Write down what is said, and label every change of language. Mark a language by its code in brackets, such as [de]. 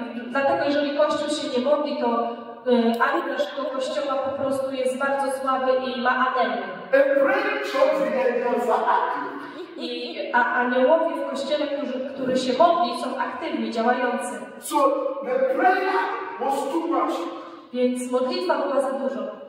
[pl] Dlatego, jeżeli Kościół się nie modli, to anioł naszego Kościoła po prostu jest bardzo słaby i ma anemię. [en] A praying church, the angels are active. [pl] A aniołowie w Kościele, którzy się modli, są aktywni, działający. [en] So the prayer was too much. [pl] Więc modlitwa była za dużo.